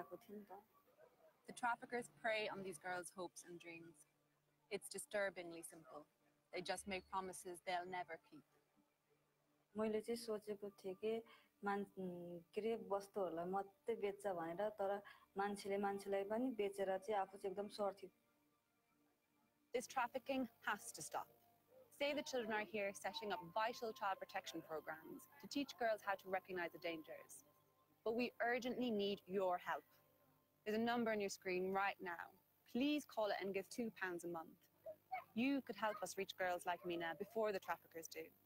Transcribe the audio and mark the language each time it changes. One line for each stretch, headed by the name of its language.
English: The traffickers prey on these girls' hopes and dreams. It's disturbingly simple. They just make promises they'll never keep.
Nepali: मैले चाहिँ सोचेको थिएँ कि मान्छे वस्तुहरूलाई मात्रै बेच्छ भनेर, तर मान्छेले मान्छेलाई पनि बेचेर चाहिँ आफू चाहिँ एकदम सर्थ्यो।
English: This trafficking has to stop. Save the Children are here setting up vital child protection programs to teach girls how to recognize the dangers. But we urgently need your help. There's a number on your screen right now. Please call it and give £2 a month. You could help us reach girls like Mina before the traffickers do.